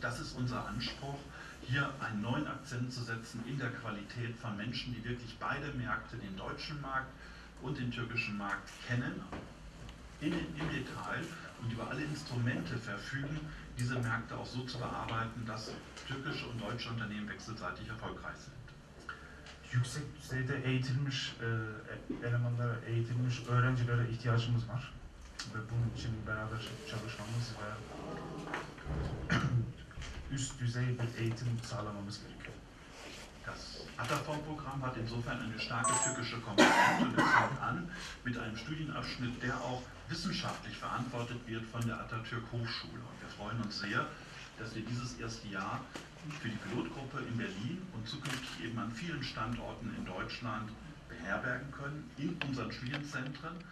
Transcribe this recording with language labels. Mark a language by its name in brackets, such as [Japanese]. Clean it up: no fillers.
[German] Das ist unser Anspruch, hier einen neuen Akzent zu setzen in der Qualität von Menschen, die wirklich beide Märkte, den deutschen Markt und den türkischen Markt, kennen im Detail und über alle Instrumente verfügen, diese Märkte auch so zu bearbeiten, dass türkische und deutsche Unternehmen wechselseitig erfolgreich sind. [Turkish] Yüksek düzeyde eğitilmiş elemanlara, eğitilmiş öğrencilere ihtiyacımız var. Ve bunun için beraber çalışmamız ve üst düzey bir eğitim sağlamamız gerekiyor. [German] Das Ataform-Programm hat insofern eine starke türkische Komponente und es fängt an mit einem Studienabschnitt, der auch wissenschaftlich verantwortet wird von der Atatürk Hochschule. Und wir freuen uns sehr, dass wir dieses erste Jahr für die Pilotgruppe in Berlin und zukünftig eben an vielen Standorten in Deutschland beherbergen können, in unseren Studienzentren.